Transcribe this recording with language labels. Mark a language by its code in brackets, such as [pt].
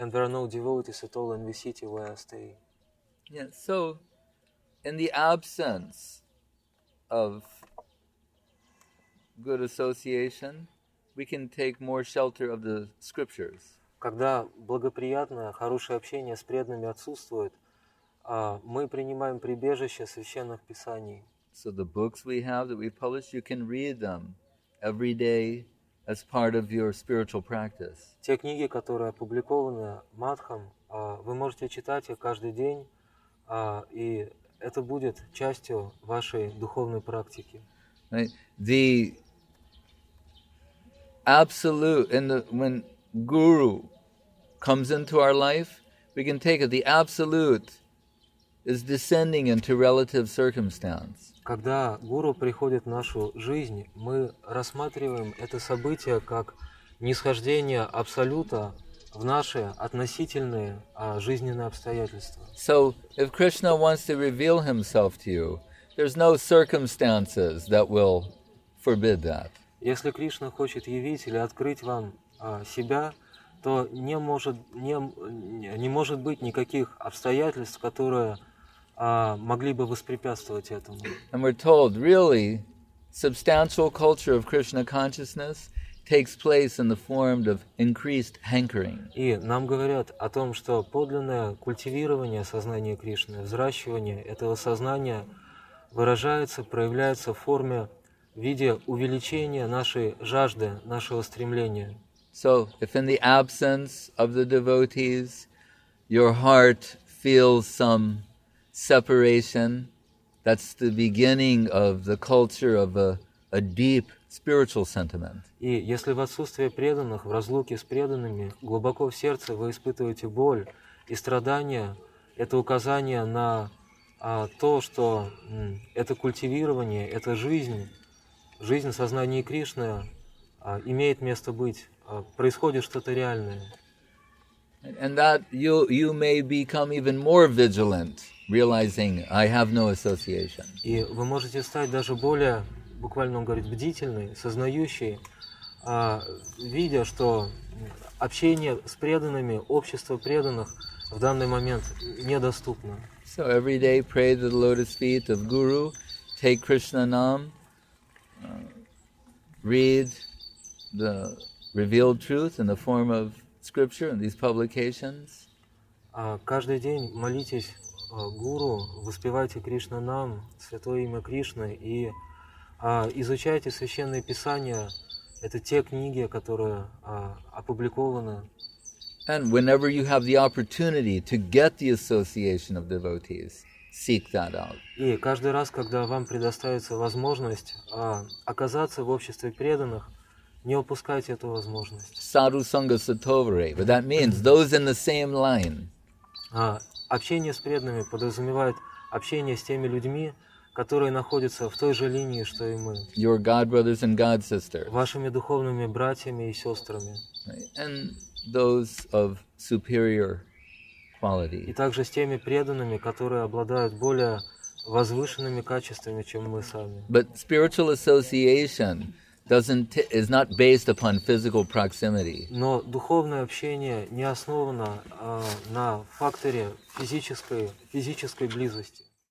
[en] and there are no devotees at all in the city where I stay. Yeah, so in the absence of good association, we can take more shelter of the scriptures. [ru] Когда благоприятное, хорошее общение с преданными отсутствует, мы принимаем прибежище священных писаний. [en] So the books we have that we publish, you can read them every day as part of your spiritual practice. [ru] Те книги, которые опубликованы Мадхам, вы можете читать их каждый день, и это будет частью вашей духовной практики. [en] Right. The absolute, and when guru comes into our life, we can take it. The absolute is descending into relative circumstance. [ru] Когда гуру приходит в нашу жизнь, мы рассматриваем это событие как нисхождение абсолюта в наши относительные жизненные обстоятельства. [en] So, if Krishna wants to reveal himself to you, there's no circumstances that will forbid that. [ru] Если Кришна хочет явить или открыть вам себя, то не может быть никаких обстоятельств, которые могли бы воспрепятствовать этому. [en] And we're told, really, substantial culture of Krishna consciousness takes place in the form of increased hankering. [ru] И нам говорят о том, что подлинное культивирование сознания Кришны, взращивание этого сознания выражается, проявляется в форме, в виде увеличения нашей жажды, нашего стремления. [en] So, if in the absence of the devotees, your heart feels some separation, that's the beginning of the culture of a deep spiritual sentiment. [ru] И если в отсутствие преданных, в разлуке с преданными, глубоко в сердце вы испытываете боль и страдания, это указание на то, что это культивирование, эта жизнь сознания Кришны имеет место быть, происходит что-то реальное. [en] And that you may become even more vigilant, realizing I have no association. [ru] И вы можете стать даже более, буквально он говорит, бдительный, сознающий, видя, что общение с преданными, общество преданных в данный момент недоступно. [en] So every day pray to the lotus feet of Guru, take Krishna Nam, read the revealed truth in the form of scripture and these publications. [ru] Каждый день молитесь Гуру, воспевайте Кришна Нам, святое имя Кришны, и изучайте священные писания. Это те книги, которые опубликованы. [en] And whenever you have the opportunity to get the association of devotees, seek that out. [ru] И каждый раз, когда вам предоставится возможность оказаться в обществе преданных, не упускайте эту возможность. [en] Sadhu sangha satovare, but that means those in the same line. [ru] Общение с преданными подразумевает общение с теми людьми, которые находятся в той же линии, что и мы. [en] Your god brothers and god sisters. [ru] Вашими духовными братьями и сестрами. [en] And those of superior quality. [ru] И также с теми преданными, которые обладают более возвышенными качествами, чем мы сами. [en] But spiritual association is not based upon physical proximity. [ru] Но духовное общение не основано на факторе физической близости.